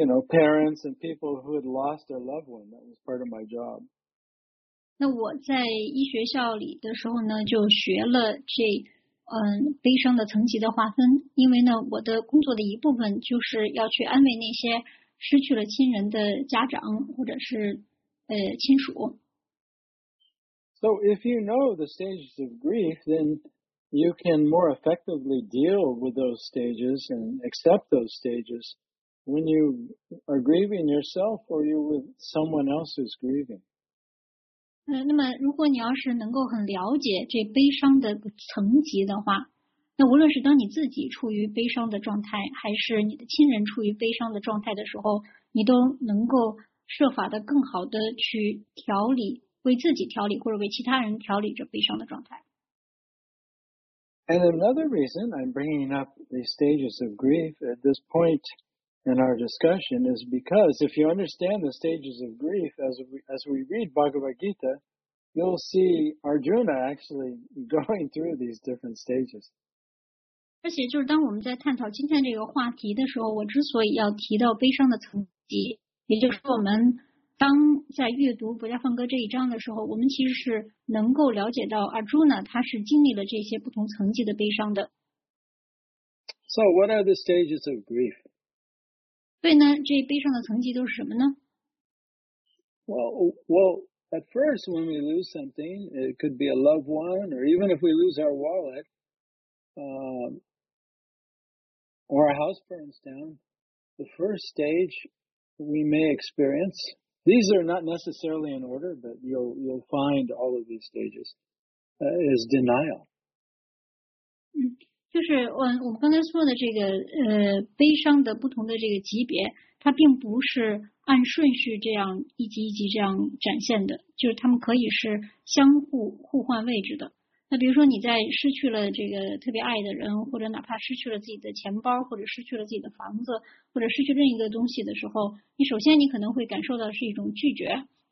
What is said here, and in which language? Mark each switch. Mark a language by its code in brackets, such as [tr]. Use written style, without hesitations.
[en] Parents and people who had lost their loved one. That was part of my job. [zh] 那我在医学校里的时候呢，就学了这悲伤的层级的划分。因为呢，我的工作的一部分就是要去安慰那些失去了亲人的家长或者是亲属。 [en] So if you know the stages of grief, then you can more effectively deal with those stages and accept those stages when you are grieving yourself or you're with someone else who's grieving. [zh] 那么如果你要是能够很了解这悲伤的层级的话，那无论是当你自己处于悲伤的状态，还是你的亲人处于悲伤的状态的时候，你都能够设法的更好的去调理，为自己调理，或者为其他人调理着悲伤的状态。 [en] And another reason I'm bringing up the stages of grief at this point in our discussion is because if you understand the stages of grief as we read Bhagavad Gita, you'll see Arjuna actually going through these different stages. [zh] 而且就是当我们在探讨今天这个话题的时候，我之所以要提到悲伤的层级，也就是我们当在阅读《薄伽梵歌》这一章的时候，我们其实是能够了解到 Arjuna 他是经历了这些不同层级的悲伤的。 [en] So what are the stages of grief? [zh] 对呢，这悲伤的层级都是什么呢？ [en] Well, at first when we lose something, it could be a loved one, or even if we lose our wallet, or a house burns down, the first stage we may experience. These are not necessarily in order, but you'll find all of these stages, is denial. [zh] 就是我们刚才说的这个悲伤的不同的这个级别，它并不是按顺序这样一级一级这样展现的，就是它们可以是相互互换位置的。那比如说你在失去了这个特别爱的人，或者哪怕失去了自己的钱包，或者失去了自己的房子，或者失去另一个东西的时候，你首先你可能会感受到是一种拒绝。